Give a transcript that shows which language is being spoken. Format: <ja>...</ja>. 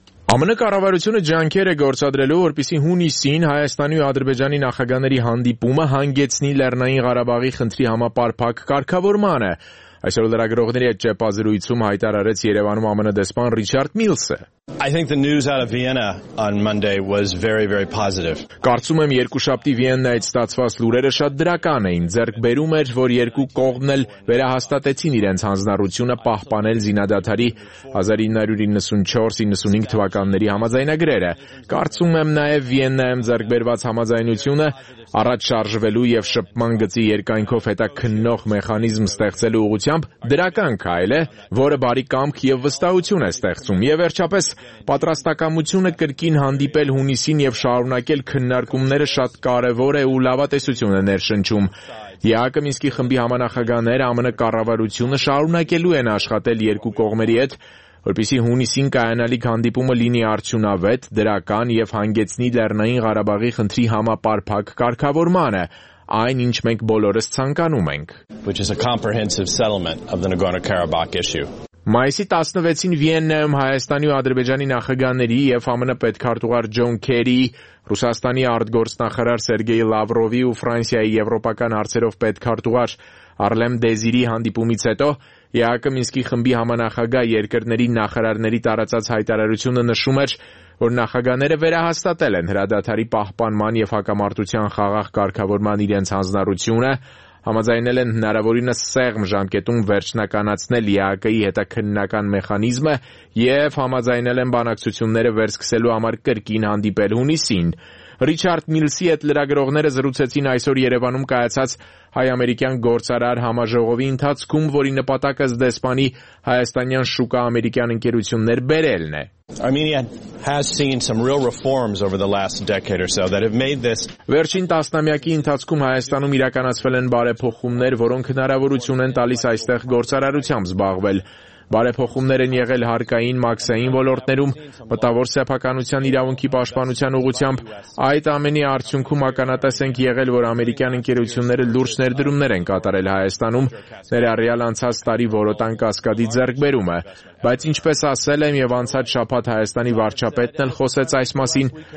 <hy>ԱՄՆ կառավարությունը ջանքեր է գործադրելու, որպեսզի հունիսին Հայաստանի ու Ադրբեջանի նախագաների հանդիպումը հանգեցնի Լեռնային Ղարաբաղի խնդրի համապարփակ կարգավորմանը։ Այսօր լրագրողների հետ զրույցում հայտարարեց Երևանում ԱՄՆ դեսպան Ռիչարդ Միլսը։</hy> <en>I think the news out of Vienna on Monday was very, very positive.</en> <hy>Կարծում եմ երկու շաբթի Վիեննայից ստացված լուրերը շատ դրական էին, ձեռք բերում էր, որ երկու կողմն էլ վերահաստատեցին իրենց հանձնառությունը պահպանել զինադադարի 1994-95 թվականների համաձայնագրերը։ Կարծում եմ նաև Վիեննայում ձեռք բերված համաձայնությունը առաջ շարժվելու և շփման գծի երկայնքով հետաքննող մեխանիզմ ստեղծելու ուղղությամբ դրական քայլ է, որը բարի կամք և վստահություն է ստեղծում, և վերջապես պատրաստակամությունը կրկին հանդիպել հունիսին և շարունակել քննարկումները շատ կարևոր է ու լավատեսություն է ներշնչում։ ԵԱԿ Մինսկի խմբի համանախագահները ԱՄՆ կառավարությունը շարունակելու են աշխատել երկու կողմերի հետ, որպեսզի հունիսին կայանալիք հանդիպումը լինի արդյունավետ, դրական և հանգեցնի Լեռնային Ղարաբաղի խնդրի համապարփակ կարգավորմանը, այն ինչ մենք բոլորս ցանկանում ենք.</hy> <en>Which is a comprehensive settlement of the Nagorno-Karabakh issue.</en> <hy>Մայիսի 16-ին Վիեննայում Հայաստանի ու Ադրբեջանի նախագաների և ԱՄՆ պետքարտուղար Ջոն Քերի, Ռուսաստանի արտգործնախարար Սերգեյ Լավրովի ու Ֆրանսիայի Եվրոպական հարցերով պետքարտուղար Արլեմ Դեզիրի հանդիպումից հետո ԵԱԿ Մինսկի խմբի համանախագահ երկրների նախարարների տարածած հայտարարությունը նշում էր, որ նախագաները վերահաստատել են հրադադարի պահպանման և հակամարտության խաղաղ կարգավորման իրենց հանձնառությունը, համաձայնել են հնարավորինս սեղմ ժամկետում վերջնականացնել ԵԱԿ-ի հետաքննական մեխանիզմը և համաձայնել են բանակցությունները վերսկսելու համար կրկին հանդիպել հունիսին։ Ռիչարդ Միլսի հետ լրագրողները զրուցեցին այսօր Երևանում կայացած հայ-ամերիկյան գործարար համաժողովի ընթացքում, որի նպատակը զդեսպանի հայաստանյան շուկա ամերիկյան ընկերություններ բերելն է։</hy> <en>Armenia has seen some real reforms over the last decade or so that have made this</en> <hy>Վերջին տասնամյակի ընթացքում Հայաստանում իրականացվել են բարեփոխումներ, որոնք հնարավորություն են տալիս այստեղ գործարարությամբ զբաղվել։ Բարեփոխումներ են եղել հարկային մաքսային ոլորտներում, մտավոր սեփականության իրավունքի պաշտպանության ուղղությամբ։ Այդ ամենի արդյունքում ականատես ենք եղել, որ ամերիկյան ընկերությունները լուրջ ներդրումներ են կատարել Հայաստանում ներառյալ անցած տարի որոտան կասկադի ձեռքբերումը, բայց ինչպես ասել եմ եւ անցած շաբաթ Հայաստանի վարչապետն էլ խոսեց այս մասին,</hy>